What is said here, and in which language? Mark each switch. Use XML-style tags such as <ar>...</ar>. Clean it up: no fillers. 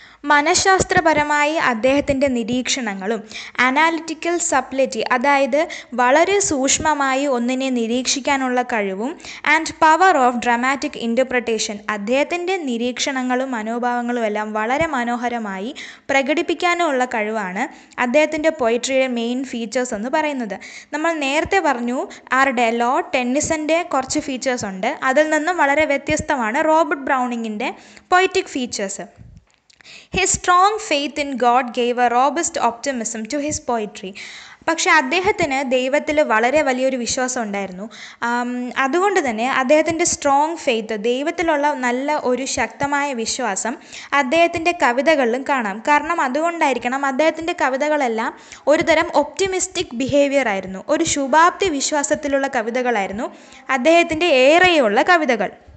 <ml>മനഃശാസ്ത്രപരമായി അദ്ദേഹത്തിൻ്റെ നിരീക്ഷണങ്ങളും, അനാലിറ്റിക്കൽ സബ്ലിറ്റി അതായത് വളരെ സൂക്ഷ്മമായി ഒന്നിനെ നിരീക്ഷിക്കാനുള്ള കഴിവും,</ml> <en>and power of dramatic interpretation</en> <ml>അദ്ദേഹത്തിൻ്റെ നിരീക്ഷണങ്ങളും മനോഭാവങ്ങളും എല്ലാം വളരെ മനോഹരമായി പ്രകടിപ്പിക്കാനുമുള്ള കഴിവാണ് അദ്ദേഹത്തിൻ്റെ പോയട്രിയുടെ മെയിൻ ഫീച്ചേഴ്സ് എന്ന് പറയുന്നത്. നമ്മൾ നേരത്തെ പറഞ്ഞു ആരുടെ, ലോർഡ് ടെന്നീസിൻ്റെ കുറച്ച് ഫീച്ചേഴ്സ് ഉണ്ട്, അതിൽ നിന്നും വളരെ വ്യത്യസ്തമാണ് Robert ബ്രൗണിംഗിൻ്റെ poetic features.</ml> <en>His strong faith in God gave a robust optimism to his poetry.</en> <ml>പക്ഷേ അദ്ദേഹത്തിന് ദൈവത്തിൽ വളരെ വലിയൊരു വിശ്വാസം ഉണ്ടായിരുന്നു. അതുകൊണ്ട് തന്നെ അദ്ദേഹത്തിൻ്റെ സ്ട്രോങ് ഫെയ്ത്ത്, ദൈവത്തിലുള്ള നല്ല ഒരു ശക്തമായ വിശ്വാസം അദ്ദേഹത്തിൻ്റെ കവിതകളിലും കാണാം. കാരണം അതുകൊണ്ടായിരിക്കണം അദ്ദേഹത്തിൻ്റെ കവിതകളെല്ലാം ഒരുതരം ഒപ്റ്റിമിസ്റ്റിക് ബിഹേവിയർ ആയിരുന്നു, ഒരു ശുഭാപ്തി വിശ്വാസത്തിലുള്ള കവിതകളായിരുന്നു അദ്ദേഹത്തിൻ്റെ ഏറെയുള്ള കവിതകൾ.</ml>